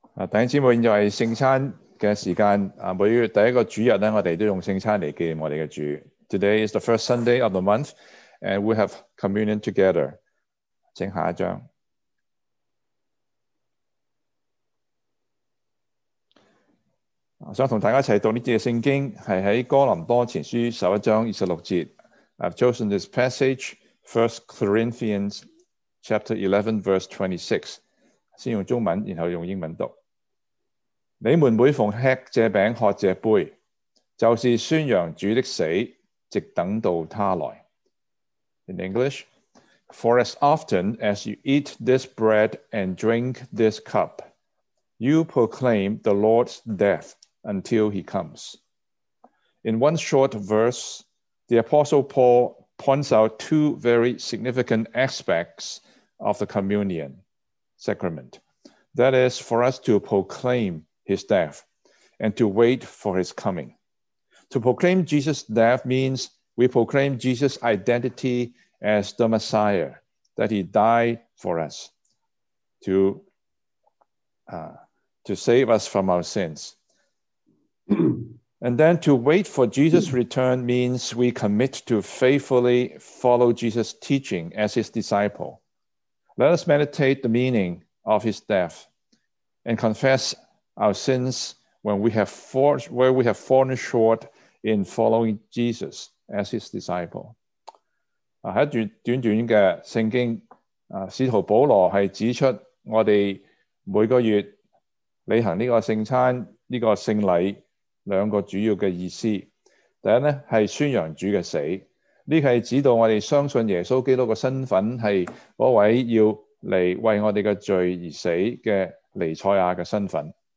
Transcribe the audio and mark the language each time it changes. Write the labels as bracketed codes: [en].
[zh] 弟兄姊妹，现在是圣餐的时间。每月第一个主日，我们都用圣餐来纪念我们的主。 [en] Today is the first Sunday of the month, and we have communion together. [zh] 请下一张。想和大家一起读这节圣经，是在哥林多前书十一章二十六节。 [en] I've chosen this passage, 1 Corinthians chapter 11, verse 26. [zh] 先用中文，然后用英文读。你们每逢吃这饼喝这杯，就是宣扬主的死，直等到他来。 [en] In English, for as often as you eat this bread and drink this cup, you proclaim the Lord's death until he comes. In one short verse, the Apostle Paul points out two very significant aspects of the communion sacrament. That is, for us to proclaim his death and to wait for his coming. To proclaim Jesus' death means we proclaim Jesus' identity as the Messiah, that he died for us to save us from our sins. And then to wait for Jesus' return means we commit to faithfully follow Jesus' teaching as his disciple. Let us meditate the meaning of his death and confess our sins where we have fallen short in following Jesus as his disciple. [zh] 在短短的圣经，使徒保罗是指出我们每个月履行这个圣餐，这个圣礼，两个主要的意思。第一呢，是宣扬主的死。这是指导我们相信耶稣基督的身份是那位要来为我们的罪而死的尼赛亚的身份。